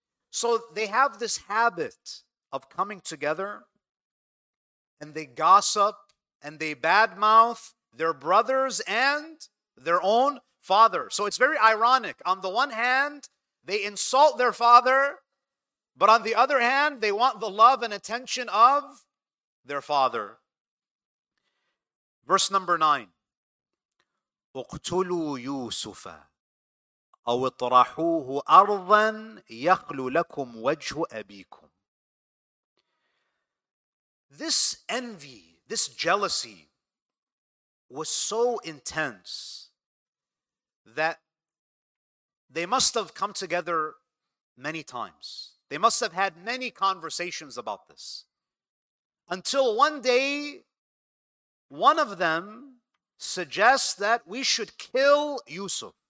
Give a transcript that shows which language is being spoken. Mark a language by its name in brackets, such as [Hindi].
[English] So they have this habit of coming together and they gossip and they badmouth their brothers and their own father. So it's very ironic. On the one hand, they insult their father, but on the other hand, they want the love and attention of their father. Verse number 9. [Arabic] اقتلوا يوسف أو اطرحوه أرضا يخلو لكم وجه أبيكم. [English] This envy, this jealousy was so intense that they must have come together many times. They must have had many conversations about this. Until one day, one of them suggests that we should kill Yusuf.